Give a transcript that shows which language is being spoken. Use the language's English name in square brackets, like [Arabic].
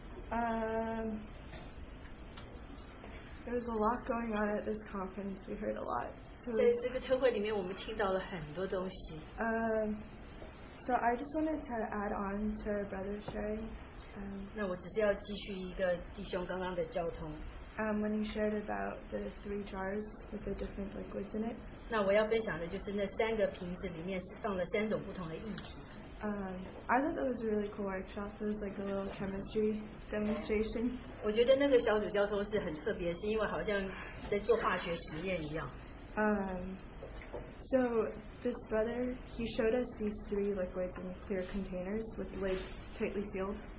[English] There's a lot going on at this conference. We heard a lot. [Chinese] 在这个特会里面，我们听到了很多东西。 [English] So I just wanted to add on to Brother Sherry. [Chinese] 那我只是要继续一个弟兄刚刚的交通。 [English] When he shared about the three jars with the different liquids in it. [Chinese] 那我要分享的就是那三个瓶子里面是放了三种不同的液体。 [English] I thought that was a really cool workshop. It was like a little chemistry demonstration. [Chinese] 我觉得那个小组交通是很特别，是因为好像在做化学实验一样。 [English] So this brother, he showed us these three liquids in clear containers with lids tightly sealed.